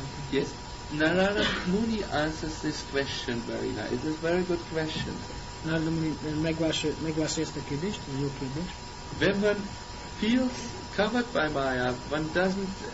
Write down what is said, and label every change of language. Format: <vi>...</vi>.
<en>Yes, Narada Muni answers this question very nice. It is a very good question.</en> <hu>Narada Muni, megválaszolja ezt a kérdést, a jó kérdést.</hu> <en>When one feels covered by Maya, one doesn't.</en>